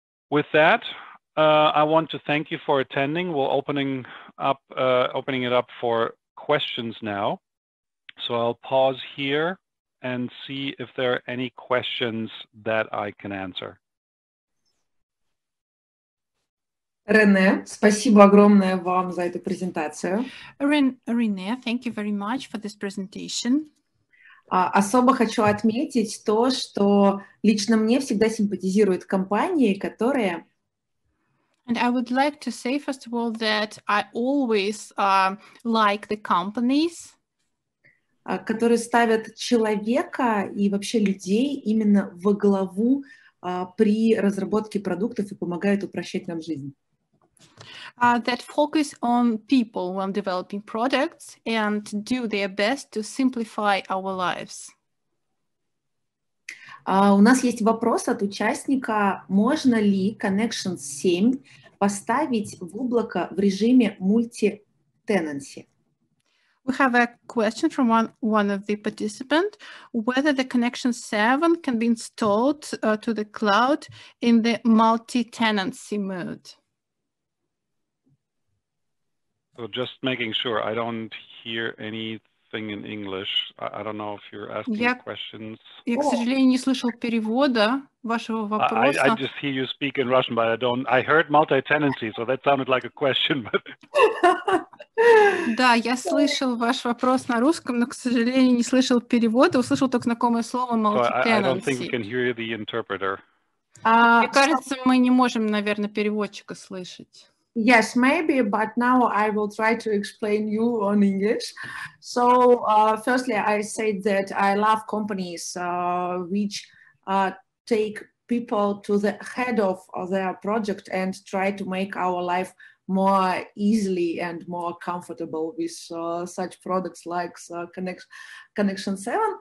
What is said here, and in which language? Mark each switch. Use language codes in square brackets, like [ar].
[en] With that, I want to thank you for attending. We're opening it up for questions now. So I'll pause here and see if there are any questions that I can answer. [ru] Рене, спасибо огромное вам за эту презентацию. [en] Рене, thank you very much for this presentation. [ru] Особо хочу отметить то, что лично мне всегда симпатизируют компании, которые... [en] And I would like to say, first of all, that I always like the companies, [ru] которые ставят человека и вообще людей именно во главу при разработке продуктов и помогают упрощать нам жизнь. [en] That focus on people when developing products and do their best to simplify our lives. [ru] У нас есть вопрос от участника, можно ли Connection 7 поставить в облако в режиме multi-tenancy? [en] We have a question from one of the participants, whether the Connection 7 can be installed to the cloud in the multi-tenancy mode. So just making sure, I don't hear anything in English. I don't know if you're asking questions. [ru] Я, к сожалению, не слышал перевода вашего вопроса. [en] I just hear you speak in Russian, but I heard multi-tenancy, so that sounded like a question. [ru] Да, я слышал ваш вопрос на русском, но, к сожалению, не слышал перевода, услышал только знакомое слово multi-tenancy. [en] I don't think we can hear the interpreter. [ru] Мне кажется, мы не можем, наверное, переводчика слышать. [en] Yes, maybe, but now I will try to explain you on English. So firstly, I said that I love companies which take people to the head of their project and try to make our life more easily and more comfortable with such products like Connection 7.